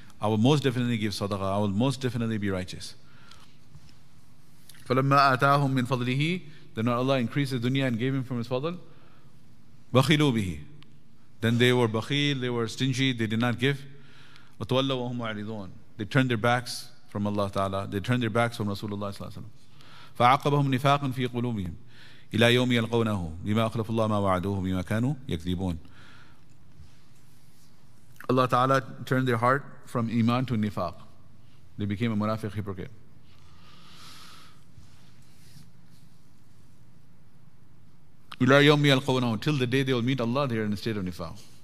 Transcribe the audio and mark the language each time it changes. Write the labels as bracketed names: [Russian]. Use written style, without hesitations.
[English] I will most definitely give sadaqah, I will most definitely be righteous. [Arabic] فَلَمَّا أَتَاهُمْ مِنْ فَضْلِهِ [English] Then Allah increased the dunya and gave him from his fadl, [Arabic] بَخِلُوا بِهِ [English] Then they were bakhil, they were stingy, they did not give. [Arabic] وَتَوَلَّوا وَهُمْ مُعْرِضُونَ [English] They turned their backs from Allah Ta'ala, they turned their backs from Rasulullah Sallallahu Alaihi Wasallam. [Arabic] فَعَقَبَهُمْ نِفَاقًا فِي قُلُوبِهِمْ إلى يوم يلقونه بما أخلف الله ما وعدوه بما كانوا يكذبون. [English] Allah Ta'ala turned their heart from iman to nifaq. They became a munafiq, hypocrite. [Arabic] إِلَى يَوْمِ يَلْقَوْنَهُ [English] till the day they will meet Allah, they are in a state of nifaq.